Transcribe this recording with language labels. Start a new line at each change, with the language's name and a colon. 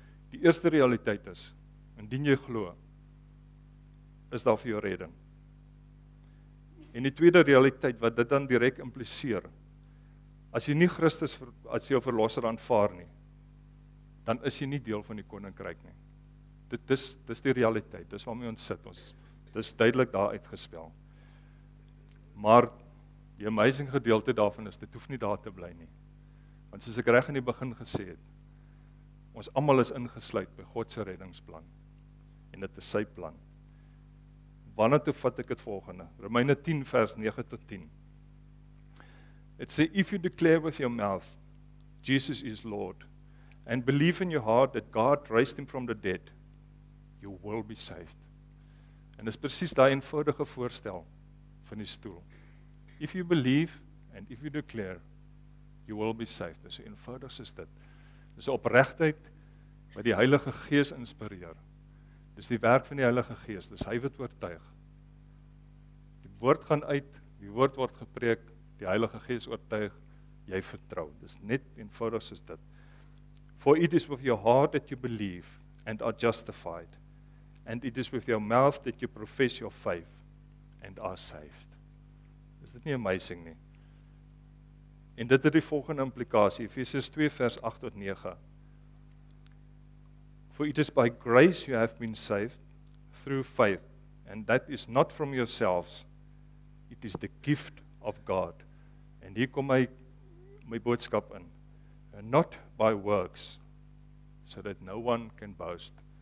Afrikaans: Die eerste realiteit is, indien jy glo, is daar vir jou redding. En die tweede realiteit wat dit dan direk impliseer, as jy nie Christus as jou verlosser aanvaar nie, dan is jy nie deel van die koninkryk nie. Dit is die realiteit, dis waarmee ons sit. Dit is duidelik daar uitgespel. Maar die amazing gedeelte daarvan is, dit hoef nie daar te bly nie. Want soos ek reg in die begin gesê het, ons almal is ingesluit by God se reddingsplan. En dit is sy plan. Wanneer toe vat ek het volgende? Romeine 10 vers 9 tot 10.
English: It says, if you declare with your mouth, Jesus is Lord, and believe in your heart that God raised him from the dead, you will be saved.
Afrikaans: En is precies die eenvoudige voorstel van die stoel.
English: If you believe, and if you declare, you will be saved.
Afrikaans: Dis so eenvoudig is dit. Dis opregtheid wat die Heilige Gees inspireer. Dis die werk van die Heilige Gees, dis hy wat oortuig. Die woord gaan uit, die woord word gepreek, die Heilige Gees oortuig, jy vertrou. Dis net eenvoudig soos dit.
English: For it is with your heart that you believe and are justified, and it is with your mouth that you profess your faith and are saved.
Afrikaans: Is dit nie amazing nie? En dit het die volgende implikasie, Efesiërs 2 vers 8 tot 9.
English: For it is by grace you have been saved through faith, and that is not from yourselves, it is the gift of God.
Afrikaans: En hier kom my boodskap in.
English: And not by works, so that no one can boast.